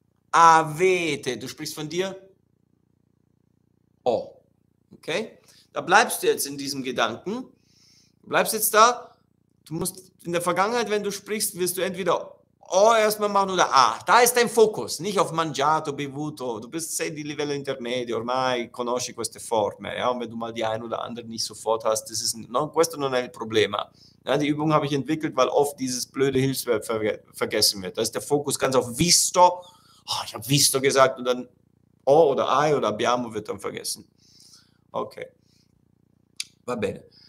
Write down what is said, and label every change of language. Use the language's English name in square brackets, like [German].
[German] Avete, du sprichst von dir. Oh, okay. Da bleibst du jetzt in diesem Gedanken. Du bleibst jetzt da. Du musst in der Vergangenheit, wenn du sprichst, wirst du entweder oh erstmal machen oder ah. Da ist dein Fokus, nicht auf mangiato, bevuto. Du bist [Italian] sei di livello intermedio, ormai conosci queste forme. [German] Ja? Und wenn du mal die ein oder andere nicht sofort hast, das ist ein, [Italian] no, questo non è il problema. [German] Ja, die Übung habe ich entwickelt, weil oft dieses blöde Hilfsverb vergessen wird. Da ist der Fokus ganz auf visto. Oh, ich habe visto gesagt und dann o oder ai oder abbiamo wird dann vergessen. Okay. [Italian] Va bene.